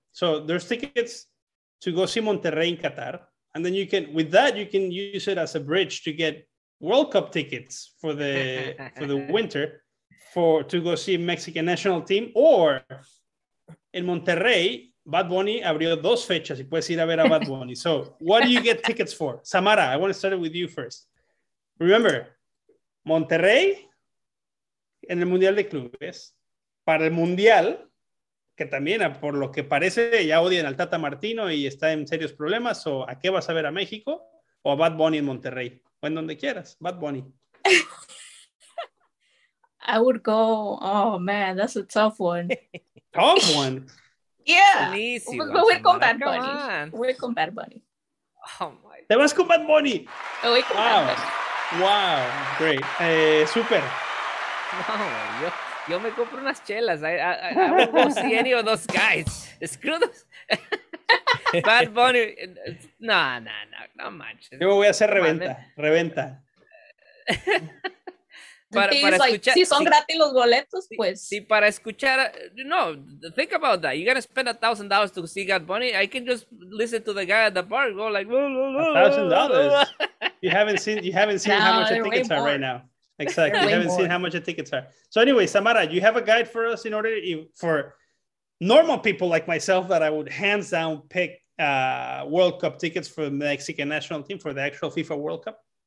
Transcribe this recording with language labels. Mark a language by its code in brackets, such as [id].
[en] So there's tickets to go see Monterrey in Qatar, and then you can use it as a bridge to get World Cup tickets for the winter to go see Mexican national team, or in Monterrey, [es] Bad Bunny abrió dos fechas y puedes ir a ver a Bad Bunny. [en] So what do you get tickets for? Samara, I want to start it with you first. [es] Remember, Monterrey en el Mundial de Clubes, para el Mundial, que también por lo que parece ya odian al Tata Martino y está en serios problemas, o ¿a qué vas a ver a México o a Bad Bunny en Monterrey? When donde quieras, Bad Bunny. [en] I would go. Oh man, that's a tough one. Tough one. Yeah. But we're con Bad Bunny. We're con Bad Bunny. Oh my. [es] Te vas con Bad Bunny. [en] Oh, we're con Bad Bunny. Wow. Great. Super. [es] No, yo me compro unas chelas. [en] I would go see any of those guys. Screw those. Bad Bunny, [es] no manches. Yo me voy a hacer reventa. para escuchar, like, si son gratis los boletos, pues. Si para escuchar, no, [en] think about that. You're going to spend $1,000 to see Bad Bunny. I can just listen to the guy at the bar go like. $1,000? You haven't seen how much the tickets are right now. Exactly. You haven't seen how much the tickets are. So anyway, Samara, you have a guide for us in order for normal people like myself that I would hands down pick World Cup tickets for the Mexican national team for the actual FIFA World Cup?